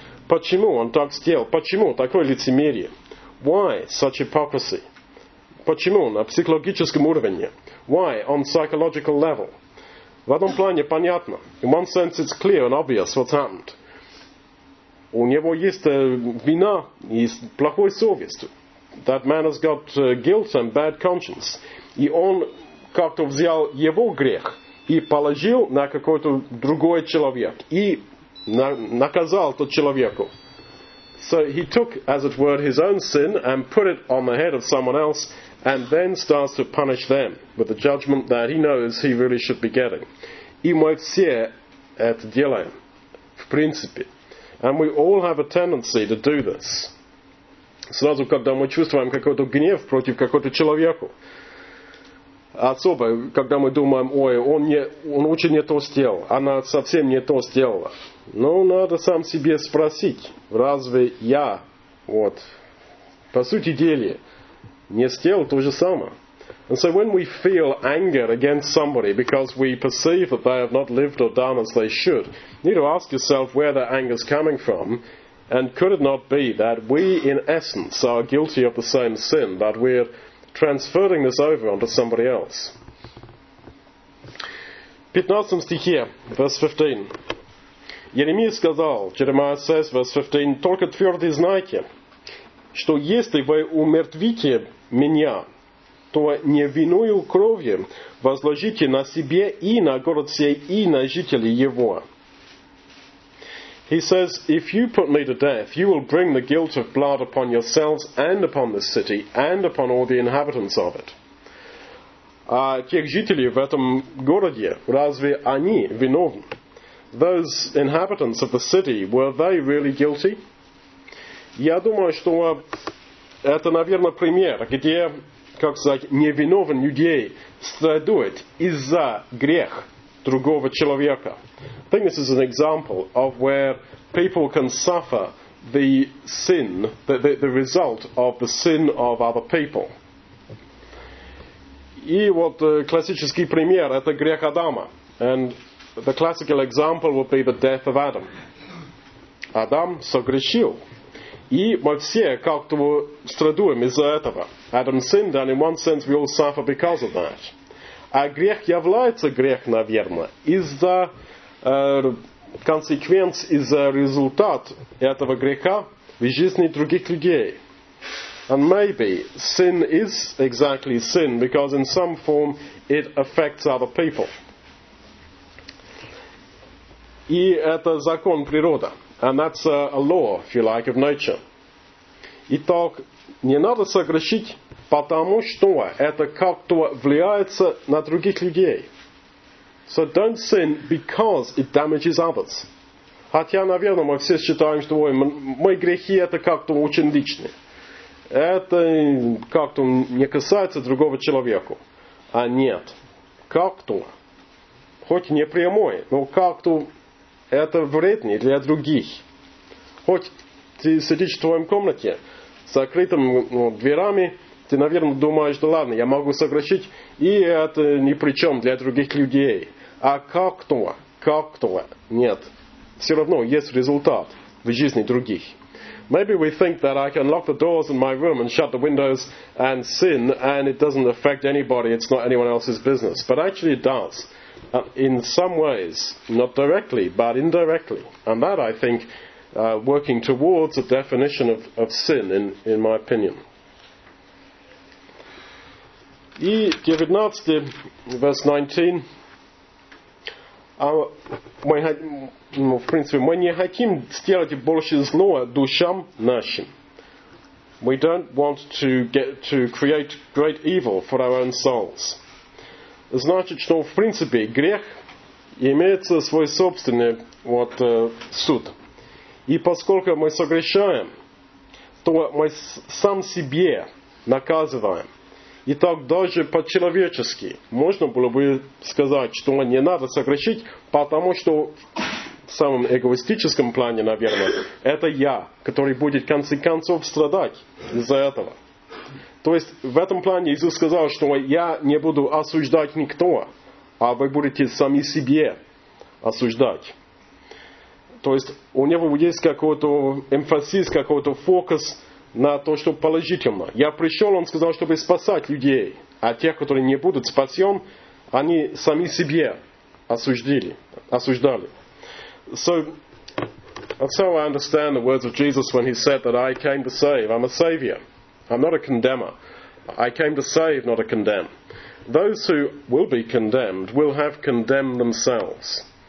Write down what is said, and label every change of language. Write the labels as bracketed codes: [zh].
[ru] Почему он так сделал? Почему такое лицемерие? [en] Why such hypocrisy? [ru] Почему на психологическом уровне? [en] Why on psychological level? [ru] В этом плане понятно. [en] In one sense it's clear and obvious what's happened. [ru] У него есть вина и плохой совесть. [en] That man has got guilt and bad conscience. [ru] И он как-то взял его грех и положил на какой-то другой человек и наказал тот человеку. [en] So he took, as it were, his own sin and put it on the head of someone else. And then starts to punish them with the judgment that he knows he really should be getting. [ru] И мы все это делаем, в принципе. [en] And we all have a tendency to do this. [ru] Сразу, когда мы чувствуем какой-то гнев против какого-то человека. Особо, когда мы думаем, ой, он очень не то сделал, она совсем не то сделала. Надо сам себе спросить, разве я, по сути дела, не сделал то же самое. [en] And so when we feel anger against somebody because we perceive that they have not lived or done as they should, you need to ask yourself where that anger is coming from, and could it not be that we, in essence, are guilty of the same sin, that we're transferring this over onto somebody else? [ru] 15 стихе, [en] verse 15. [ru] Еремия сказал, [en] Jeremiah says, verse 15, [ru] только твердо знайте, что если вы умертвите меня, что невинную кровь возложите на себе и на город сей, и на жителей его. [en] He says, if you put me to death, you will bring the guilt of blood upon yourselves and upon this city and upon all the inhabitants of it. [ru] А тех жителей в этом городе, разве они виновны? [en] Those inhabitants of the city, were they really guilty? [ru] Я думаю, что это, наверное, пример, где, как сказать, невиновен людей страдает из-за грех другого человека. [en] I think this is an example of where people can suffer the sin, the result of the sin of other people. [ru] И вот классический пример – это грех Адама. [en] And the classical example would be the death of Adam. [ru] Адам согрешил. И мы все как-то страдуем из-за этого. [en] Adam sinned, and in one sense we all suffer because of that. [ru] А грех является грех, наверное, из-за консеквенц, из-за результат этого греха в жизни других людей. [en] And maybe sin is exactly sin because in some form it affects other people. [ru] И это закон природы. [en] And that's a law, if you like, of nature. [ru] Итак, не надо согрешить, потому что это как-то влияется на других людей. [en] So don't sin because it damages others. [ru] Хотя, наверное, мы все считаем, что мои грехи это как-то очень личные. Это как-то не касается другого человека. А нет, как-то, хоть не прямой, но как-то это вреднее для других. Хоть ты сидишь в твоем комнате с закрытыми дверами, ты, наверное, думаешь, да ладно, я могу согрешить, и это ни при чем для других людей. А как-то, нет, все равно есть результат в жизни других. [en] Maybe we think that I can lock the doors in my room and shut the windows and sin, and it doesn't affect anybody, it's not anyone else's business. But actually it does, in some ways, not directly, but indirectly. And that, I think, working towards a definition of sin, in my opinion. [ru] И 19, [en] verse 19. [ru] Ну, в принципе, мы не хотим сделать больше зла душам нашим. [en] We don't want to create great evil for our own souls. [ru] Значит, что, в принципе, грех имеет свой собственный суд. И поскольку мы согрешаем, то мы сам себе наказываем. И так даже по-человечески можно было бы сказать, что не надо согрешить, потому что в самом эгоистическом плане, наверное, это я, который будет в конце концов страдать из-за этого. То есть в этом плане Иисус сказал, что я не буду осуждать никто, а вы будете сами себе осуждать. То есть у него есть какой-то эмфасис, какой-то фокус на то, что положительно. Я пришел, он сказал, чтобы спасать людей, а тех, которые не будут спасен, они сами себе осуждали. [en] So, that's how I understand the words of Jesus when he said that I came to save. I'm a savior. I'm not a condemner. I came to save, not to condemn. Those who will be condemned will have condemned themselves.